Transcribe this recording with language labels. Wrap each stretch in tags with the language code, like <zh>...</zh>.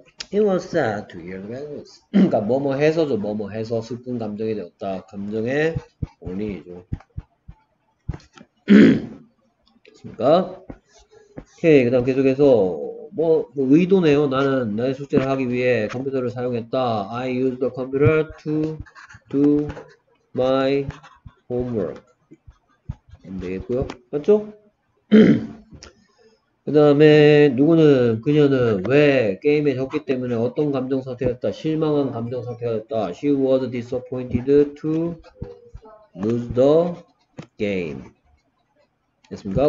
<en>He was sad to hear the bad news.</en> <ko>그러니까 뭐뭐 해서죠. 뭐뭐 해서 슬픈 감정이 되었다. 감정의 원인이죠. 됐습니까? 오케이. 그 다음 계속해서 뭐 의도네요. 나는 나의 숙제를 하기 위해 컴퓨터를 사용했다.</ko> <en>I used the computer to do my homework.</en> <ko>안 되겠고요. 맞죠? 그 다음에 누구는 그녀는 왜 게임에 졌기 때문에 어떤 감정 상태였다. 실망한 감정 상태였다.</ko> <en>She was disappointed to lose the game.</en> <ko>됐습니까?</ko>